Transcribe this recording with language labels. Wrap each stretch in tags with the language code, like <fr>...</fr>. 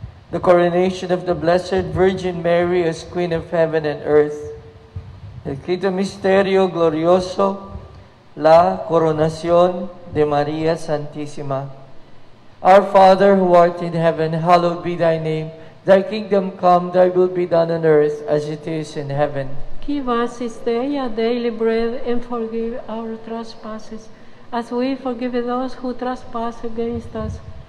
<en>The coronation of the Blessed Virgin Mary as Queen of Heaven and Earth.</en> <es>El quinto misterio glorioso, la coronación de María Santísima.</es> <en>Our Father who art in heaven, hallowed be thy name. Thy kingdom come, thy will be done on earth as it is in heaven. Give us this day our daily bread and forgive our trespasses as we forgive those who trespass against us.</en>